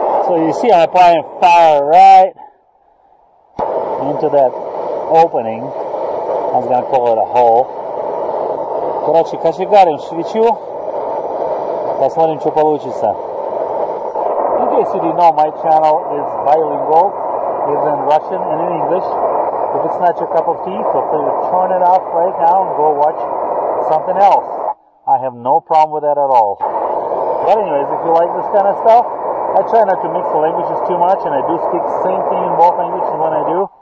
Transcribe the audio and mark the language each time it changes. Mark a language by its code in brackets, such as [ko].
[en] So you see, I'm applying fire right into that opening. I was gonna call it a hole. [ru] Короче, кочегарим свечу, посмотрим, что получится. [en] In case you didn't know, my channel is bilingual, is in Russian and in English. If it's not your cup of tea, feel free to turn it off right now and go watch something else. I have no problem with that at all. But anyways, if you like this kind of stuff, I try not to mix the languages too much, and I do speak the same thing in both languages when I do.